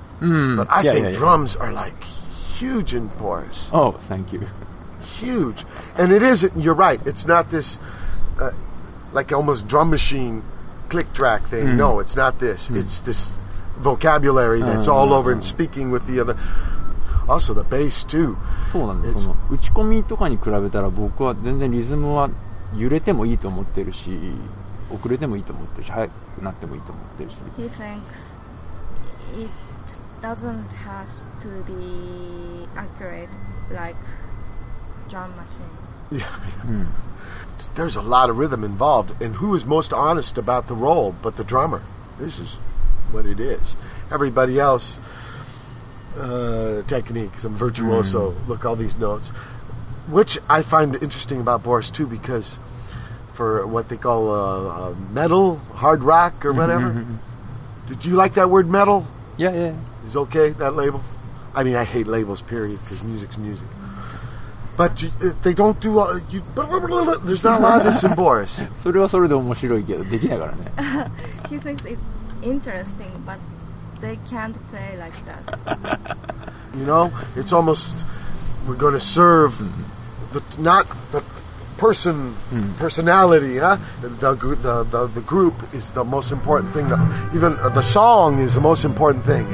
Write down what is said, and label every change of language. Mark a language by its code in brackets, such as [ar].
[en] But I think drums are like huge in Boris. Oh, thank you. Huge. And it is, you're right, it's not this like almost drum machine click track thing. No, it's not this. It's this vocabulary that's all over and speaking with the other. Also the bass too. [ja] そうなんです。その打ち込みとかに比べたら僕は全然リズムは揺れてもいいと思ってるし遅れてもいいと思ってるし早くなってもいいと思ってるし。 [en] He thinks it doesn't have to be accurate like drum machine. There's a lot of rhythm involved, and who is most honest about the role but the drummer? This is what it is. Everybody else, technique, some virtuoso, look, all these notes. Which I find interesting about Boris, too, because for what they call metal, hard rock, or whatever. Did you like that word metal? Yeah, yeah. Is okay, that label? I mean, I hate labels, period, because music's music. But they don't do all... You, blah, blah, blah, blah, blah. There's not a lot of this in Boris. [ja] それはそれで面白いけど、できないからね。 [en] He thinks it's interesting, but they can't play like that. You know, it's almost... We're going to serve the, not the person, personality, huh? The group is the most important thing. Even the song is the most important thing.